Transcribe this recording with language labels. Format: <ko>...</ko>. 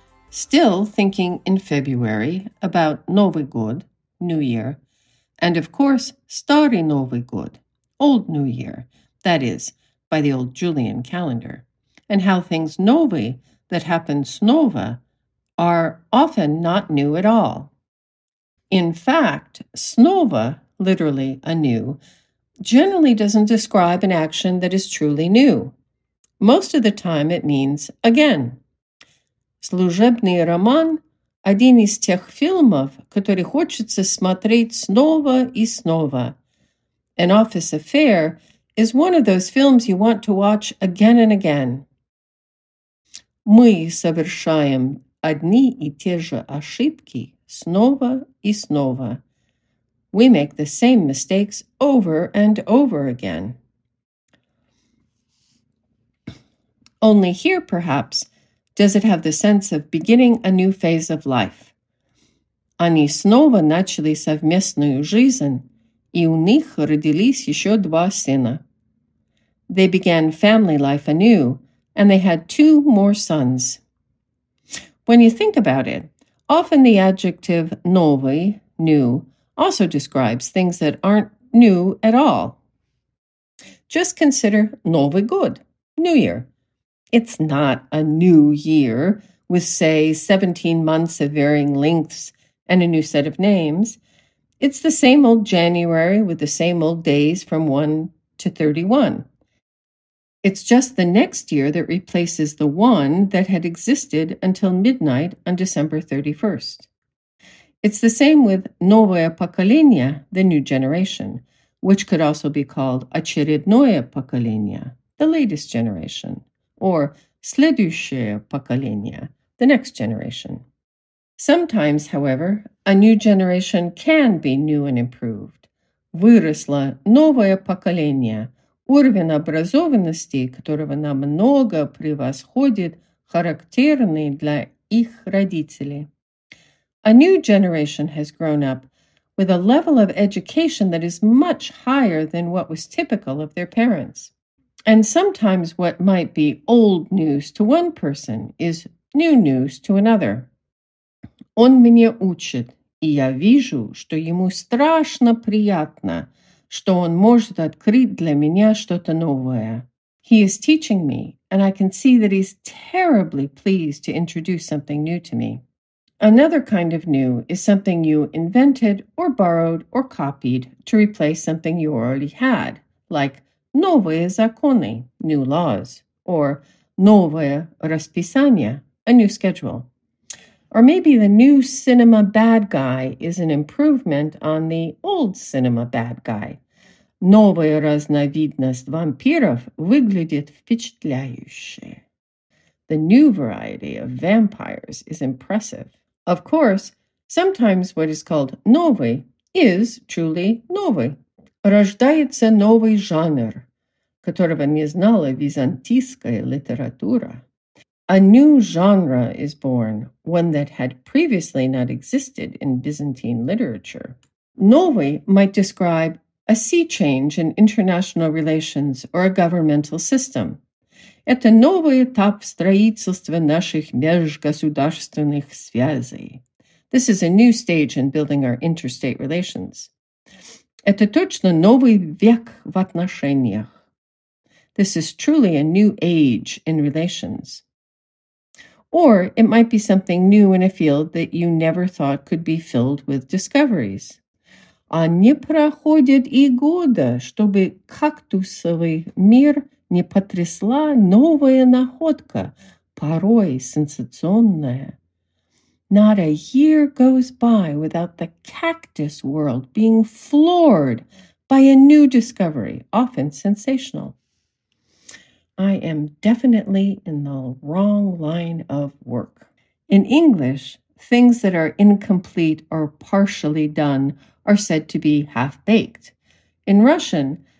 <en>Still thinking in February about</en> <ru>Новый год,</ru> <en>New Year, and of course,</en> <ru>Старый Новый год,</ru> <en>Old New Year, that is, by the old Julian calendar, and how things novi that happen snova are often not new at all. In fact, snova, literally anew, generally doesn't describe an action that is truly new. Most of the time it means again.</en> <ru>Служебный роман – один из тех фильмов, который хочется смотреть снова и снова.</ru> <en>An office affair is one of those films you want to watch again and again.</en> <ru>Мы совершаем одни и те же ошибки снова и снова.</ru> <en>We make the same mistakes over and over again. Only here, perhaps, does it have the sense of beginning a new phase of life.</en> <ru>Они снова начали совместную жизнь, и у них родились еще два сына.</ru> <en>They began family life anew, and they had two more sons. When you think about it, often the adjective новый, new, also describes things that aren't new at all. Just consider</en> <ru>Новый год,</ru> <en>New Year. It's not a new year with, say, 17 months of varying lengths and a new set of names. It's the same old January with the same old days from 1 to 31. It's just the next year that replaces the one that had existed until midnight on December 31st. It's the same with</en> <ru>Новое поколение,</ru> <en>the new generation, which could also be called</en> <ru>Очередное поколение,</ru> <en>the latest generation, or</en> <ru>Следующее поколение,</ru> <en>the next generation. Sometimes, however, a new generation can be new and improved.</en> <ru>Выросло новое поколение. Уровень образованности, которого намного превосходит характерный для их родителей.</ru> <en>A new generation has grown up with a level of education that is much higher than what was typical of their parents. And sometimes what might be old news to one person is new news to another.</en> <ru>Он меня учит, и я вижу, что ему страшно приятно, что он может открыть для меня что-то новое.</ru> <en>He is teaching me, and I can see that he's terribly pleased to introduce something new to me. Another kind of new is something you invented or borrowed or copied to replace something you already had, like</en> <ru>новые законы,</ru> <en>new laws, or</en> <ru>новое расписание,</ru> <en>a new schedule. Or maybe the new cinema bad guy is an improvement on the old cinema bad guy.</en> <ru>Новая разновидность вампиров выглядит впечатляюще.</ru> <en>The new variety of vampires is impressive. Of course, sometimes what is called новый is truly новый.</en> <ru>Рождается новый жанр, которого не знала византийская литература.</ru> <en>A new genre is born, one that had previously not existed in Byzantine literature. Новый might describe a sea change in international relations or a governmental system.</en> <ru>Это новый этап строительства наших межгосударственных связей.</ru> <en>This is a new stage in building our interstate relations.</en> <ru>Это точно новый век в отношениях.</ru> <en>This is truly a new age in relations. Or it might be something new in a field that you never thought could be filled with discoveries.</en> <ru>А не проходит и года, чтобы кактусовый мир не потрясла новая находка, порой сенсационная.</ru> <en>Not a year goes by without the cactus world being floored by a new discovery, often sensational. I am definitely in the wrong line of work. In English, things that are incomplete or partially done are said to be half-baked. In Russian,</en>